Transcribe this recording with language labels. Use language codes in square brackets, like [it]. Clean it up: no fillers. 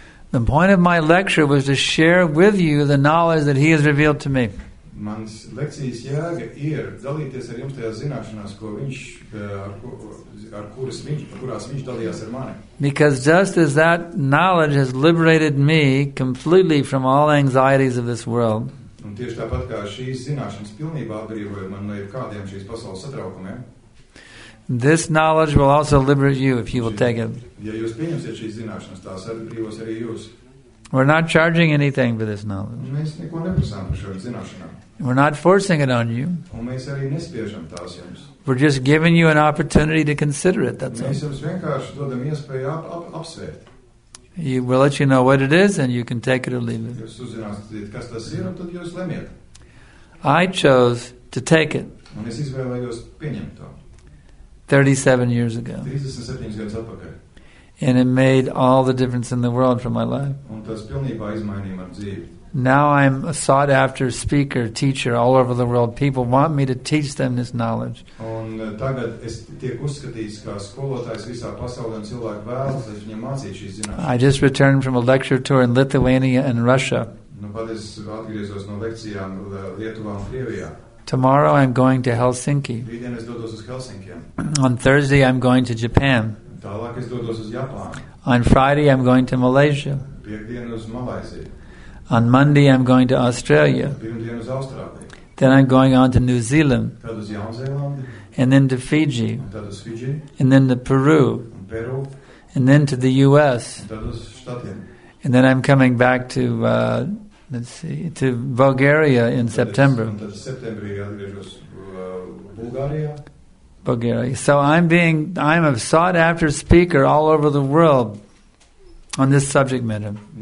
[en] The point of my lecture was to share with you the knowledge that he has revealed to me. [lv] Mans lekcijas jēga ir dalīties ar jums tajās zināšanās, ko viņš, kurās viņš dalījās ar mani. [en] Because just as that knowledge has liberated me completely from all anxieties of this world. [lv] Un tieši tāpat kā šīs zināšanas pilnībā atbrīvoja man no jebkādiem šīs pasaules satraukumiem. [en] This knowledge will also liberate you if you will take it. [lv] Ja jūs pieņemsiet šīs zināšanas, tās atbrīvos arī jūs. [en] We're not charging anything for this knowledge. [lv] Mēs neko neprasām par šo zināšanām. [en] We're not forcing it on you. [lv] Un mēs arī nespiežam tās jums. [en] We're just giving you an opportunity to consider it, that's all. [lv] Mēs jums vienkārši dodam iespēju apsvērt. [en] We'll let you know what it is and you can take it or leave it. [lv] Jūs uzzināsiet, kas tas ir, un tad jūs lemiet. [en] I chose to take it. [lv] Un es izvēlējos pieņemt to. [en] 37 years ago. [lv] 37 gadus atpakaļ. [en] And it made all the difference in the world for my life. [lv] Un tas pilnībā izmainīja manu dzīvi. [en] Now I'm a sought after speaker, teacher all over the world. People want me to teach them this knowledge. [lv] Un tagad es tiek uzskatīts kā skolotājs visā pasaulē un cilvēki vēlas, lai viņiem mācītu šīs zināšanas. [en] I just returned from a lecture tour in Lithuania and Russia. [lv] Nu, pat es atgriezos no lekcijām Lietuvā un Krievijā. [en] Tomorrow I'm going to Helsinki. [lv] Rītdien es dodos uz Helsinkiem. [en] On Thursday I'm going to Japan. [lv] Tālāk es dodos uz Japānu. [en] On Friday I'm going to Malaysia. [lv] Piekdien uz Malaisiju. [en] On Monday I'm going to Australia. [lv] Pirmdien uz Austrāliju. [en] Then I'm going on to New Zealand. [lv] Tad uz Jaunzēlandi. [en] And then to Fiji. [lv] Un tad uz Fiji. [en] And then to Peru. [lv] Un Peru. [en] And then to the US. [lv] Un tad uz Štatiem. [en] And then I'm coming back to to Bulgaria in September. [lv] Un tad septembrī atgriežos Bulgārijā. [en] Bulgaria. So I'm a sought after speaker all over the world on this subject matter.